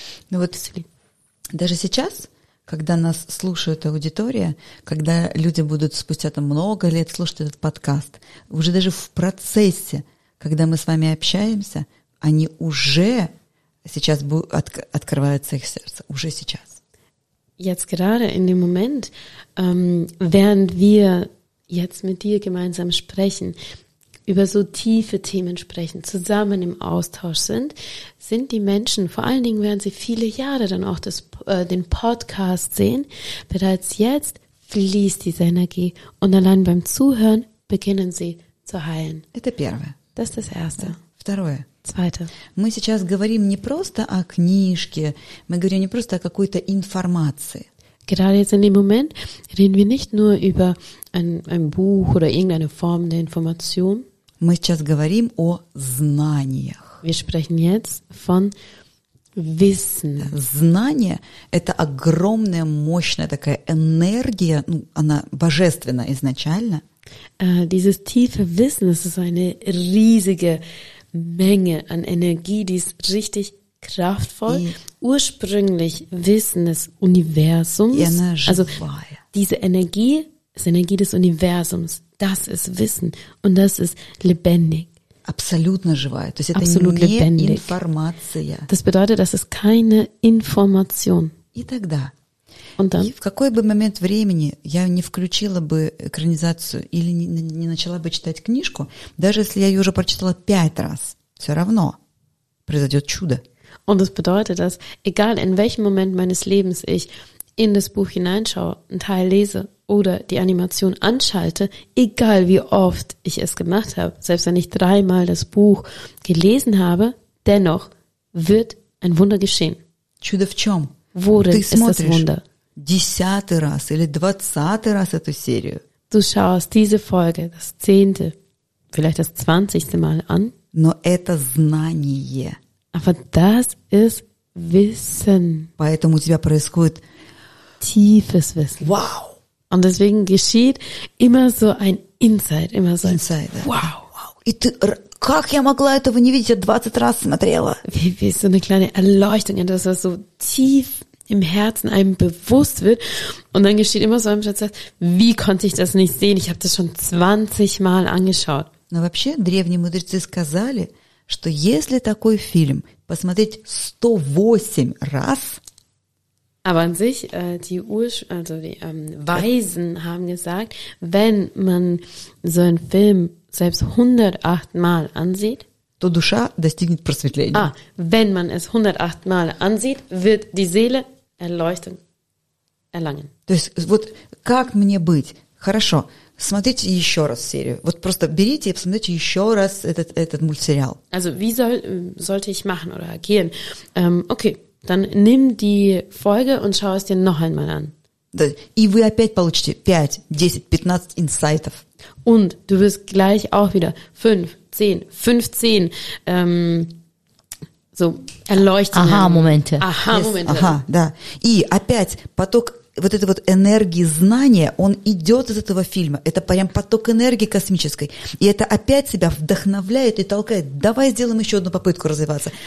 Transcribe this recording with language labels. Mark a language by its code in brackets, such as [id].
[ru] Ну вот даже сейчас, когда нас слушает аудитория, когда люди будут спустя там много лет слушать этот подкаст, уже даже в процессе, когда мы с вами общаемся, они уже сейчас открываются их сердце, уже сейчас. [de] Jetzt gerade in dem Moment, während wir jetzt mit dir gemeinsam sprechen, über so tiefe Themen sprechen, zusammen im Austausch sind, sind die Menschen, vor allen Dingen, während sie viele Jahre dann auch den Podcast sehen, bereits jetzt fließt diese Energie und allein beim Zuhören beginnen sie zu heilen. Das ist das Erste. [ru] Второе. [de] Zweite. [ru] Мы сейчас говорим не просто о книжке, мы говорим не просто о какой-то информации. [de] Gerade jetzt in dem Moment reden wir nicht nur über ein Buch oder irgendeine Form der Information. [ru] Мы сейчас говорим о знаниях. [de] Wir sprechen jetzt von Wissen. [ru] Знание – это огромная, мощная такая энергия, ну, она божественная изначально. [de] Dieses tiefe Wissen, das ist eine riesige Menge an Energie, die ist richtig kraftvoll. Ursprünglich Wissen des Universums. Energie. Also, diese Energie ist Energie des Universums. Das ist Wissen und das ist lebendig. [ru] Абсолютно живая. То есть [de] Absolut [ru] это не [de] lebendig. [ru] Информация. [de] Das bedeutet, das ist keine Information. [ru] И тогда. [de] Und dann? [ru] И в какой бы момент времени я не включила бы экранизацию или не начала бы читать книжку, даже если я ее уже прочитала 5 раз, все равно произойдет чудо. [de] Und das bedeutet, dass egal in welchem Moment meines Lebens ich in das Buch hineinschaue, einen Teil lese oder die Animation anschalte, egal wie oft ich es gemacht habe, selbst wenn ich 3 Mal das Buch gelesen habe, dennoch wird ein Wunder geschehen. [ru] Чудо в чем? [de] Worin ist das Wunder? [ru] Десятый раз или двадцатый раз эту серию. [de] Du schaust diese Folge, das 10., vielleicht das 20. Mal an. [ru] Но это знание. [de] Aber das ist Wissen. [ru] Поэтому у тебя происходит [de] tiefes Wissen. Wow. Und deswegen geschieht immer so ein Insight, immer so ein Insider. Wow. [ru] И ты, как я могла этого не видеть, я 20 раз смотрела. [de] Wie so eine kleine Erleuchtung, dass das so tief im Herzen einem bewusst wird. Und dann geschieht immer so ein Prozess, wie konnte ich das nicht sehen? Ich habe das schon 20 Mal angeschaut. [ru] Но вообще древние мудрецы сказали, что если такой фильм посмотреть 108 раз... [de] Aber an sich, Weisen haben gesagt, wenn man so einen Film selbst 108 Mal ansieht, [ru] то душа достигнет просветления. [de] А, wenn man es 108 Mal ansieht, wird die Seele erleuchtung erlangen. [ru] То есть, вот как мне быть? Хорошо, смотрите еще раз серию. Вот просто берите и посмотрите еще раз этот мультсериал. [de] Also, wie sollte ich machen oder agieren? Okay. Dann nimm die Folge und schau es dir noch einmal an. [ru] Да, и вы опять получите 5, 10, 15 инсайтов. [de] Und du wirst gleich auch wieder 5, 10, 15 so erleuchtende Aha-Momente. Aha-Momente. Yes. Aha, да. [ru] И опять поток вот этой вот энергии знания, он идет из этого фильма. Это прям поток энергии космической. И это опять себя вдохновляет и толкает. Давай сделаем еще одну попытку развиваться.